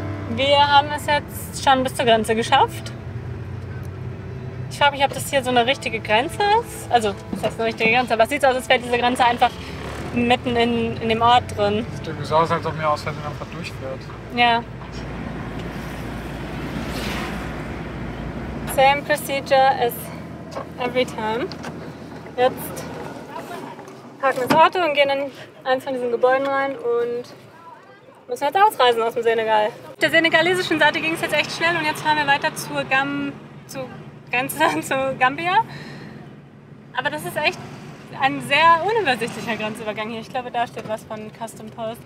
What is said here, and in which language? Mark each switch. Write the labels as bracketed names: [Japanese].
[German] Wir haben es jetzt schon bis zur Grenze geschafft. Ich frage mich, ob das hier so eine richtige Grenze ist. Also, ist das eine richtige Grenze? Aber es sieht so aus, als wäre diese Grenze einfach mitten in dem Ort drin. Sieht so aus, als ob mir aus Versehen einfach durchfährt. Ja. [English] Same procedure as every time. [German] Jetzt parken wir das Auto und gehen in eins von diesen Gebäuden rein und müssen jetzt ausreisen aus dem Senegal. Auf der senegalesischen Seite ging es jetzt echt schnell und jetzt fahren wir weiter zur zu Gambia. Aber das ist echt ein sehr unübersichtlicher Grenzübergang hier. Ich glaube, da steht was von Custom Post.